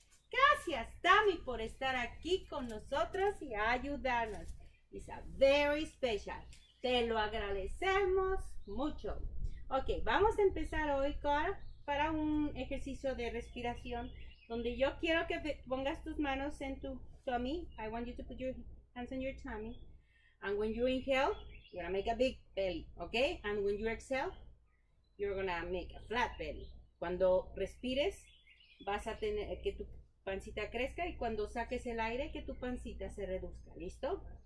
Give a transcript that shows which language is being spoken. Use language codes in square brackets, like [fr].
[es] Gracias, Tammy, por estar aquí con nosotros y ayudarnos. [en] It's a very special. [es] Te lo agradecemos mucho. Ok, vamos a empezar hoy para un ejercicio de respiración donde yo quiero que pongas tus manos en tu tummy. [en] I want you to put your hands on your tummy. And when you inhale, you're gonna make a big belly, ok? And when you exhale, you're gonna make a flat belly. [es] Cuando respires, vas a tener que tu pancita crezca y cuando saques el aire, que tu pancita se reduzca, ¿listo?